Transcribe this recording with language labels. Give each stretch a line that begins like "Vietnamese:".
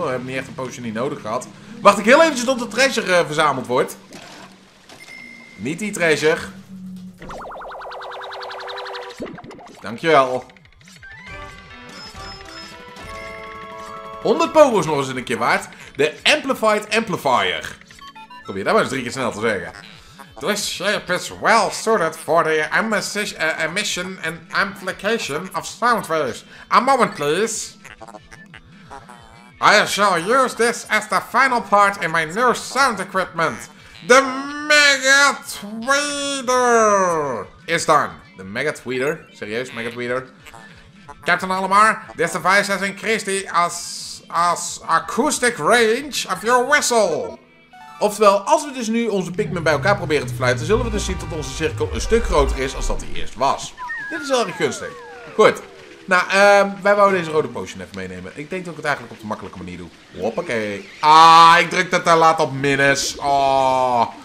Dutch: We hebben niet echt een potion niet nodig gehad. Wacht ik heel eventjes tot de treasure verzameld wordt. Niet die treasure. Dankjewel. 100 Poco's nog eens een keer waard. De Amplified Amplifier. Probeer dat maar eens 3 keer snel te zeggen.
English: This ship is well suited for the emission and amplification of sound waves. A moment, please. I shall use this as the final part in my new sound equipment. The Mega Tweeter is done. The Mega Tweeter? Serieus, Mega Tweeter? Captain Olimar, this device has increased the acoustic range of your whistle.
Dutch: Oftewel, als we dus nu onze Pikmin bij elkaar proberen te fluiten, zullen we dus zien dat onze cirkel een stuk groter is als dat hij eerst was. Dit is heel erg gunstig. Goed. Nou, wij wouden deze rode potion even meenemen. Ik denk dat ik het eigenlijk op de makkelijke manier doe. Hoppakee. Ah, ik druk dat daar laat op minus. Oh.